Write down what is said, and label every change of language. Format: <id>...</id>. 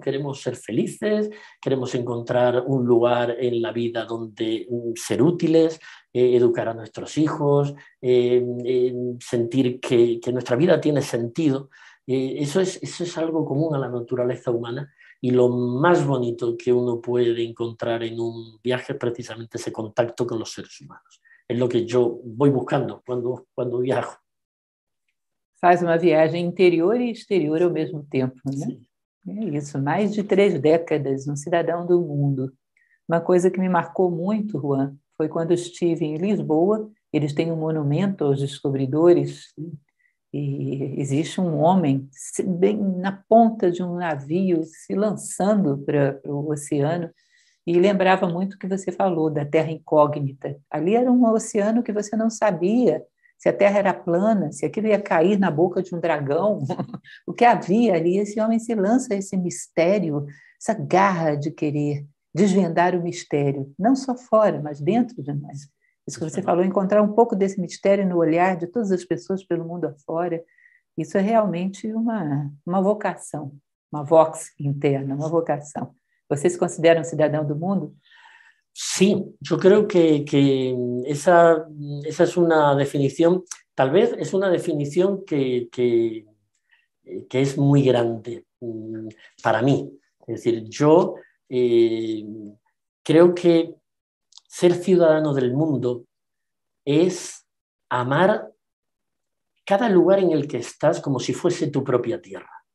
<es>Queremos ser felices, queremos encontrar un lugar en la vida donde ser útiles, educar a nuestros hijos, sentir que nuestra vida tiene sentido. Eso es algo común a la naturaleza humana. Y lo más bonito que uno puede encontrar en un viaje es precisamente ese contacto con los seres humanos. Es lo que yo voy buscando cuando viajo.</es> <pt>Faz uma viagem interior e exterior ao mesmo tempo, né? Sim. É isso, mais de 3 décadas, um cidadão do mundo. Uma coisa que me marcou muito, Juan, foi quando estive em Lisboa, eles têm um monumento aos descobridores, e existe um homem bem na ponta de um navio se lançando para o oceano, e lembrava muito o que você falou da Terra Incógnita. Ali era um oceano que você não sabia se a terra era plana, se aquilo ia cair na boca de um dragão, o que havia ali, esse homem se lança esse mistério, essa garra de querer desvendar o mistério, não só fora, mas dentro de nós. Isso que você falou, encontrar um pouco desse mistério no olhar de todas as pessoas pelo mundo afora, isso é realmente uma vocação, uma vox interna, uma vocação. Você se considera um cidadão do mundo?</pt> <es>Sí, yo creo que esa es una definición, tal vez es una definición que es muy grande para mí. Es decir, yo creo que ser ciudadano del mundo es amar cada lugar en el que estás como si fuese tu propia tierra.</es>